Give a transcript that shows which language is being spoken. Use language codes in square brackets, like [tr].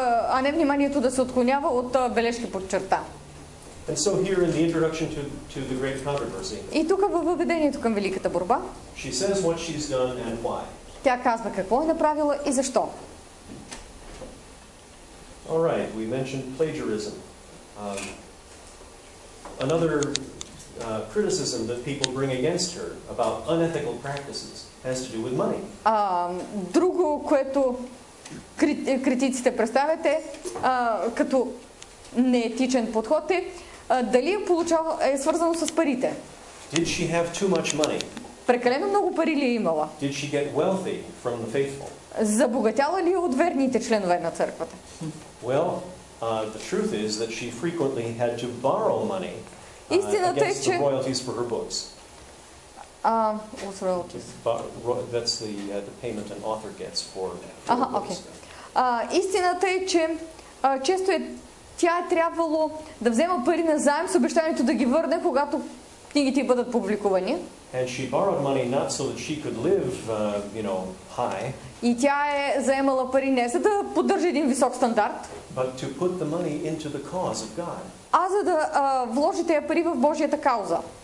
[bg] А не вниманието да се отклонява от бележки под черта. [en] And so here in the introduction to the great controversy. [bg] И тук във въведението към великата борба. [en] She says what she's done and why. [bg] Тя казва какво е направила и защо. [en] All right, we mentioned plagiarism. Another criticism that people bring against her about unethical practices has to do with money. [bg] Друго, което критиците представят е като неетичен подход е дали е свързано с парите. [en] Did she have too much money? [bg] Прекалено много пари ли е имала? [en] Did she get wealthy from the faithful? [bg] Забогатяла ли от верните членове на църквата? [en] Well, the truth is that she frequently had to borrow money. [bg] Истината е, че [en] royalties for her books. What's royalties? That's the payment an author gets for books. [bg] Истината е, че често е тя е трябвало да взема пари на заем с обещанието да ги върне, когато книгите бъдат публикувани. [en] And she borrowed money not so that she could live, you know, high. [bg] И тя е заемала пари не за да поддържа един висок стандарт, [en] but to put the money into the cause of God. [bg] А за да вложи тези пари в Божията кауза.